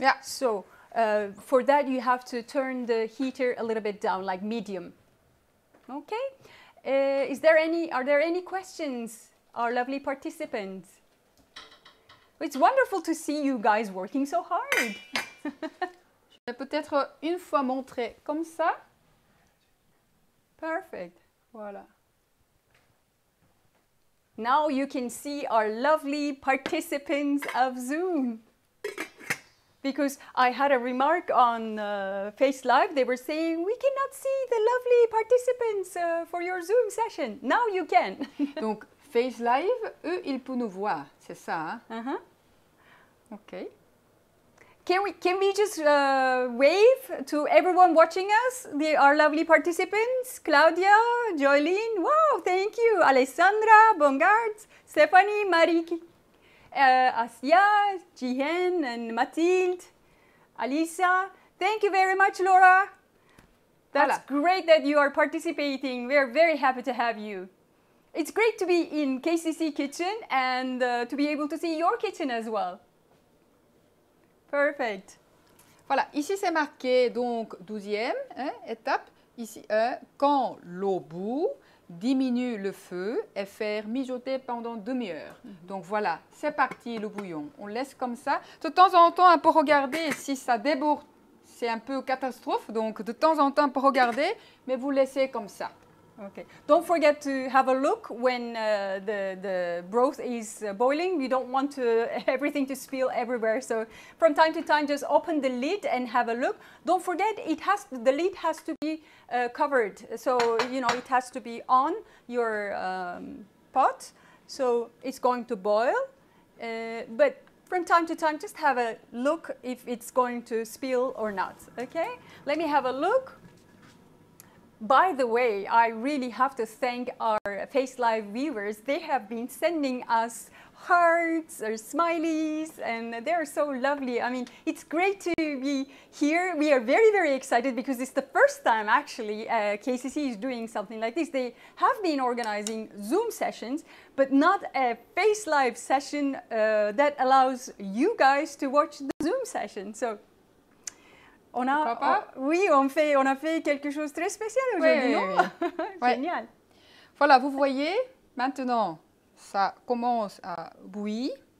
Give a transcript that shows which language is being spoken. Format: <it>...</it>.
<en>Yeah. So, for that, you have to turn the heater a little bit down, like medium. Okay. Are there any questions, our lovely participants? It's wonderful to see you guys working so hard.</en> <fr>Je vais peut-être une fois montrer comme ça.</fr> <en>Perfect.</en> <fr>Voilà.</fr> <en>Now you can see our lovely participants of Zoom. Because I had a remark on Face Live, they were saying, we cannot see the lovely participants for your Zoom session. Now you can.</en> <fr>Donc, Face Live, eux, ils peuvent nous voir, c'est ça. Hein? Okay.</fr> <en>Can we just wave to everyone watching us? Our lovely participants, Claudia, Joyline. Wow, thank you. Alessandra, Bongard, Stephanie, Marie, Asya, Jihen, and Mathilde, Alisa. Thank you very much, Laura. That's great that you are participating. We are very happy to have you. It's great to be in KCC kitchen and to be able to see your kitchen as well. Perfect.</en> <fr>Voilà, ici c'est marqué donc 12e étape. Ici, quand l'eau bout, diminue le feu et faire mijoter pendant demi-heure. Donc voilà, c'est parti le bouillon. On laisse comme ça. De temps en temps, un peu regarder si ça déborde, c'est un peu catastrophe. Donc de temps en temps, un peu regarder, mais vous laissez comme ça.</fr> <en>Okay. Don't forget to have a look when the broth is boiling. You don't want everything to spill everywhere. So from time to time, just open the lid and have a look. Don't forget, the lid has to be covered. So, you know, it has to be on your pot. So it's going to boil. But from time to time, just have a look if it's going to spill or not. Okay, let me have a look. By the way, I really have to thank our Face Live viewers. They have been sending us hearts or smileys, and they are so lovely. I mean, it's great to be here. We are very, very excited because it's the first time, actually, KCC is doing something like this. They have been organizing Zoom sessions, but not a Face Live session that allows you guys to watch the Zoom session. So.</en> <fr>On a fait quelque chose de très spécial aujourd'hui, oui. Génial. Voilà, vous voyez, maintenant, ça commence à bouillir.</fr>